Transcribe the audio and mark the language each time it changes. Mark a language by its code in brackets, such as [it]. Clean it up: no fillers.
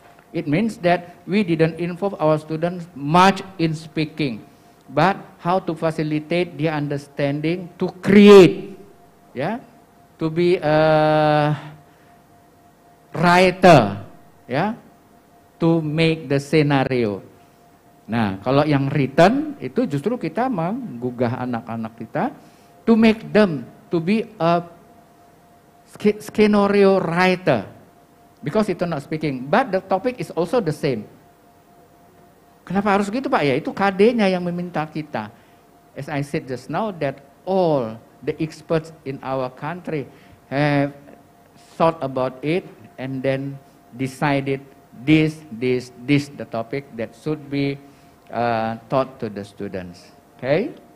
[en] It means that we didn't involve our students much in speaking, but how to facilitate their understanding to create, yeah, to be a writer, yeah, to make the scenario. [id] Nah, kalau yang written itu justru kita menggugah anak-anak kita [en] to make them to be a scenario writer. Because it's not speaking, but the topic is also the same. [id] Kenapa harus gitu Pak? Ya itu KD-nya yang meminta kita. [en] As I said just now, that all the experts in our country have thought about it and then decided this, the topic that should be taught to the students. Okay?